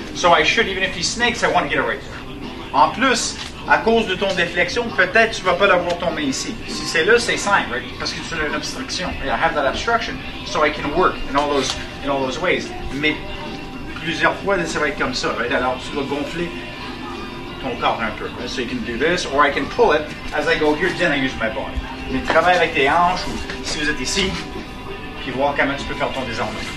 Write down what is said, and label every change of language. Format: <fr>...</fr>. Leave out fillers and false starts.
<en>So I should, even if he snakes, I want to get it right there.</en> <fr>En plus, à cause de ton déflexion, peut-être tu ne vas pas l'avoir tombé ici. Si c'est là, c'est simple, right? Parce que tu as une obstruction.</fr> <en>I have that obstruction, so I can work in all those ways.</en> <fr>Mais plusieurs fois, ça va être comme ça. Right? Alors, tu dois gonfler ton corps un peu.</fr> <en>Right? So you can do this, or I can pull it as I go here, then I use my body.</en> <fr>Mais travaille avec tes hanches, ou si vous êtes ici, puis voir comment tu peux faire ton désarmement.</fr>